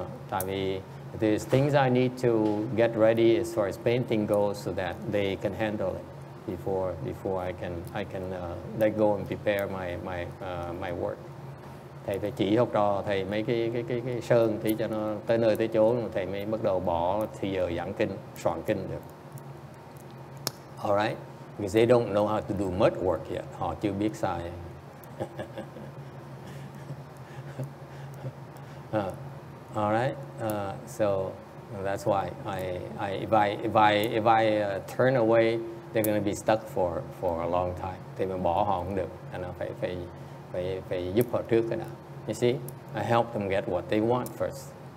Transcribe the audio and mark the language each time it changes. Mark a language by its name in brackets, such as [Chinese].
[Vietnamese] Tại vì [English] there's things I need to get ready as far as painting goes, so that they can handle it before I can let go and prepare my work. [Vietnamese] Thầy phải chỉ học trò thầy mấy cái sơn thì cho nó tới nơi tới chỗ rồi thầy mới bắt đầu bỏ thì giờ giảng kinh soạn kinh được. [English] All right, because they don't know how to do mud work yet. [Vietnamese] Họ chưa biết xài. [English] All right, so that's why if I turn away, they're gonna be stuck for a long time. [Vietnamese] Thì mình bỏ họ không được, nên phải giúp họ trước cái nào. [English] You see, I help them get what they want first.